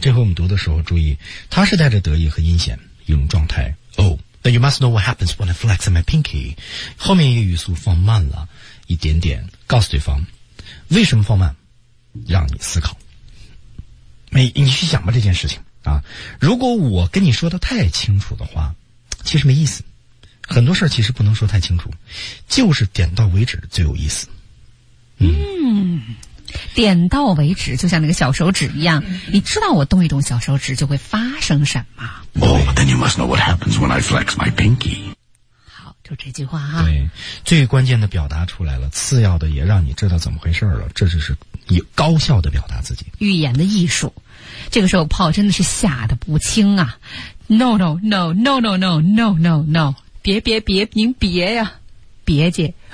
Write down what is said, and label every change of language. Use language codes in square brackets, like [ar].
[zh] 这回我们读的时候注意，他是带着得意和阴险一种状态。 [en] Oh, then you must know what happens when I flex my pinky. [zh] 后面一个语速放慢了一点点，告诉对方为什么放慢，让你思考。你去想吧这件事情。啊，如果我跟你说的太清楚的话，其实没意思。很多事儿其实不能说太清楚，就是点到为止最有意思。点到为止，就像那个小手指一样，你知道我动一动小手指就会发生什么。 [en] Oh, then you must know what happens when I flex my pinky. [zh] 好，就这句话啊。对，最关键的表达出来了，次要的也让你知道怎么回事了，这就是高效的表达自己。语言的艺术。这个时候Paul真的是吓得不轻啊 [en] No no no no [zh] no no no no no 别别别您别呀、啊、别姐